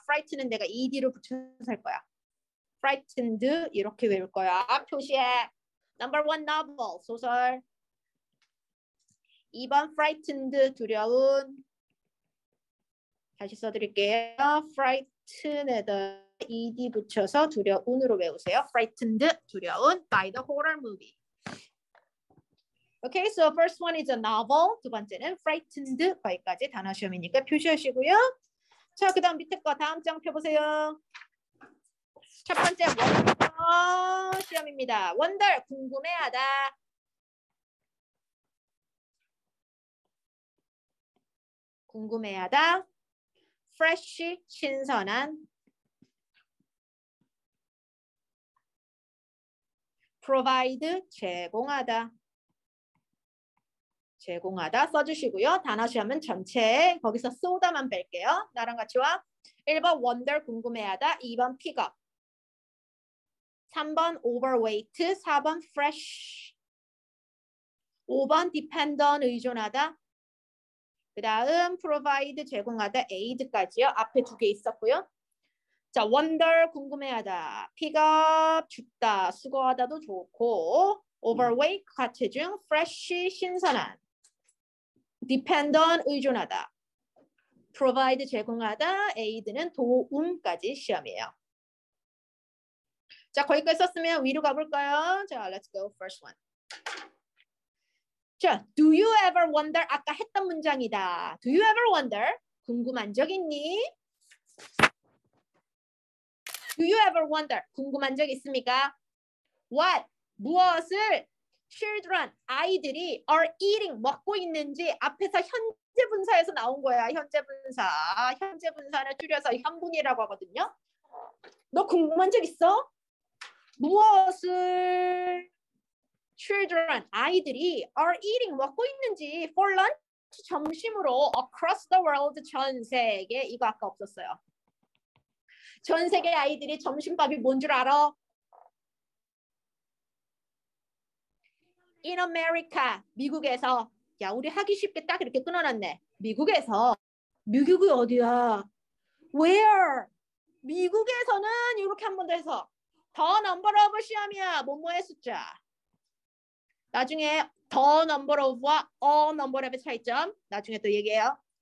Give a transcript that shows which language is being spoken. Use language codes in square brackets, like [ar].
[ko] frighten은 내가 ed로 붙여서 할 거야. frightened 이렇게 외울 거야. 표시해. [en] number 1 novel [ko] 소설 2번 frightened 두려운 다시 써 드릴게요. frighten에다 ed 붙여서 두려운으로 외우세요. [en] frightened [ko] 두려운 [en] by the horror movie. Okay, so first one is a novel. [ko] 두 번째는 frightened. 거기까지 단어 시험이니까 표시하시고요. 자, 그 다음 밑에 거 다음 장 펴보세요. 첫 번째 wonder 시험입니다. wonder, 궁금해하다. 궁금해하다. fresh, 신선한. provide, 제공하다. 제공하다 써주시고요. 단어 시험은 전체 거기서 소다만 뺄게요. 나랑 같이 와. 1번 wonder 궁금해하다. 2번 pick up. 3번 overweight. 4번 fresh. 5번 depend on 의존하다. 그 다음 provide 제공하다 aid까지요. 앞에 두 개 있었고요. 자 wonder 궁금해하다. pick up 춥다 수고하다도 좋고 overweight 가체 중 fresh 신선한. Depend on, 의존하다. Provide, 제공하다. Aid는 도움까지 시험이에요. 자, 거기까지 썼으면 위로 가볼까요? [en] 자, let's go first one. 자, do you ever wonder? [ko] 아까 했던 문장이다. [en] Do you ever wonder? [ko] 궁금한 적 있니? [en] Do you ever wonder? [ko] 궁금한 적 있습니까? [en] What? [ko] 무엇을? Children, 아이들이 are eating, 먹고 있는지 앞에서 현재 분사에서 나온 거야. 현재 분사. 현재 분사를 줄여서 현분이라고 하거든요. 너 궁금한 적 있어? [en] 무엇을 children, [ko] 아이들이 [en] are eating, [ko] 먹고 있는지 [en] for lunch, [ko] 점심으로 [en] across the world, [ko] 전 세계. 이거 아까 없었어요. 전 세계 아이들이 점심밥이 뭔 줄 알아? [en] In America, [ko] 미국에서. 야, 우리 하기 쉽게 딱 이렇게 끊어놨네. 미국에서. 미국이 어디야? [en] Where? [ko] 미국에서는 이렇게 한 번 더 해서 더 넘버 오브 시험이야 뭐뭐의 숫자. 나중에 더 넘버 오브와 어 넘버 오브의 차이점 나중에 또 얘기해요.